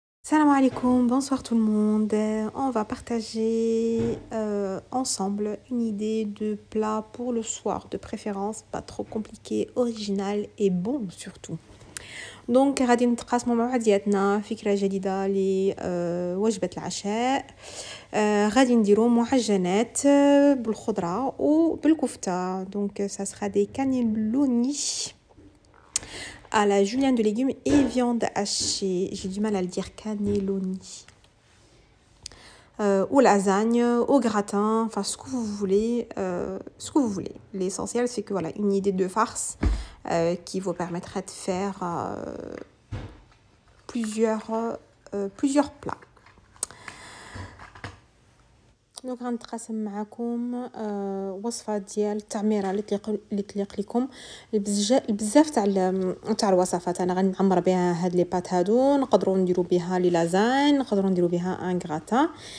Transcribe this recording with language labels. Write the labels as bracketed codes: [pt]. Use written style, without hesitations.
[fr] Salam alaikum, bonsoir tout le monde. On va partager ensemble une idée de plat pour le soir, de préférence, pas trop compliqué, original et bon surtout. [ar] Donc, غادي نتقاسمو مع بعضياتنا فكرة جديدة لوجبة العشاء. غادي نديرو معجنات بالخضرة وبالكفتة. [fr] دونك ça sera des cannelloni à la julienne de légumes et viande hachée. J'ai du mal à le dire, cannelloni. Ou lasagne, au gratin, enfin ce que vous voulez, ce que vous voulez. L'essentiel, c'est que voilà, une idée de farce qui vous permettrait de faire plusieurs plats. [ar] دونك غنتقاسم معاكم وصفه ديال التعميره اللي تليق لكم. بزاف تاع الوصفات انا غنعمر بها هاد لي بات هادو. نقدروا نديروا بها لي لازان، نقدروا نديروا بها ان غراتان.